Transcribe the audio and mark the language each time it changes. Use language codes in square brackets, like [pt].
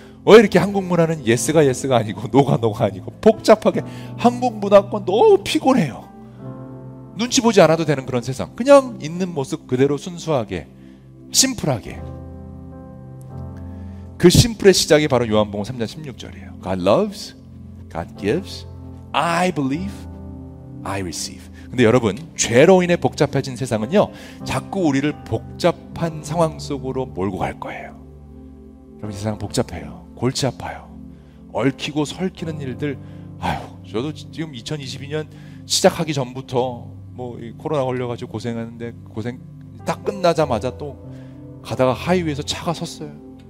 [ko] 왜 이렇게 한국 문화는 예스가 예스가 아니고 노가 노가 아니고 복잡하게, 한국 문화권 너무 피곤해요. 눈치 보지 않아도 되는 그런 세상, 그냥 있는 모습 그대로 순수하게 심플하게, 그 심플의 시작이 바로 요한복음 3장 16절이에요. [en] God loves, God gives, I believe, I receive. [ko] 근데 여러분, 죄로 인해 복잡해진 세상은요, 자꾸 우리를 복잡한 상황 속으로 몰고 갈 거예요. 여러분, 세상 복잡해요. 골치 아파요. 얽히고 설키는 일들, 아휴, 저도 지금 2022년 시작하기 전부터 뭐 코로나 걸려가지고 고생하는데, 고생 딱 끝나자마자 또 가다가 하이웨이에서 차가 섰어요.